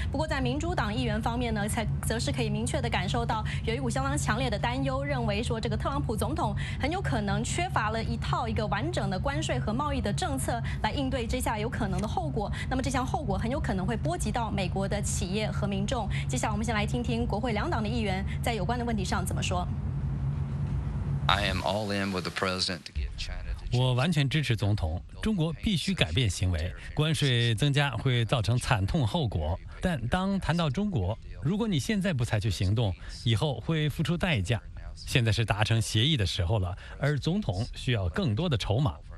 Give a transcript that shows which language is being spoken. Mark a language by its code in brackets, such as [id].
[zh] 不过在民主党议员方面呢，则是可以明确的感受到有一股相当强烈的担忧，认为说这个特朗普总统很有可能缺乏了一套一个完整的关税和贸易的政策来应对这下有可能的后果。那么这项后果很有可能会波及到美国的企业和民众。接下来我们先来听听国会两党的议员在有关的问题上怎么说。 [en] I am all in with the president to get China to change. [zh] 我完全支持总统，中国必须改变行为，关税增加会造成惨痛后果。但当谈到中国，如果你现在不采取行动，以后会付出代价。现在是达成协议的时候了，而总统需要更多的筹码。